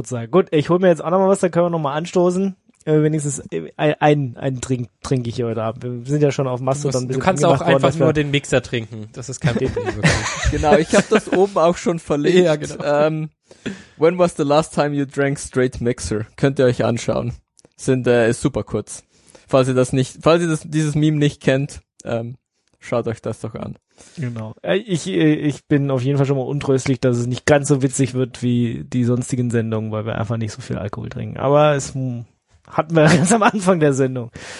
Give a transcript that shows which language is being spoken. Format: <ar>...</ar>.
<de>Gut, ich hole mir jetzt auch nochmal was, dann können wir nochmal anstoßen. Wenigstens ein Drink trinke ich hier heute Abend. Wir sind ja schon auf Masse. Du kannst auch einfach nur den Mixer trinken. Das ist kein Problem. Genau, ich habe das oben auch schon verlinkt. Ja, genau.</de> <en>When was the last time you drank straight Mixer?</en> <de>Könnt ihr euch anschauen. Ist super kurz. Falls ihr dieses Meme nicht kennt, schaut euch das doch an. Genau. Ich bin auf jeden Fall schon mal untröstlich, dass es nicht ganz so witzig wird wie die sonstigen Sendungen, weil wir einfach nicht so viel Alkohol trinken. Aber es hatten wir ganz am Anfang der Sendung.</de>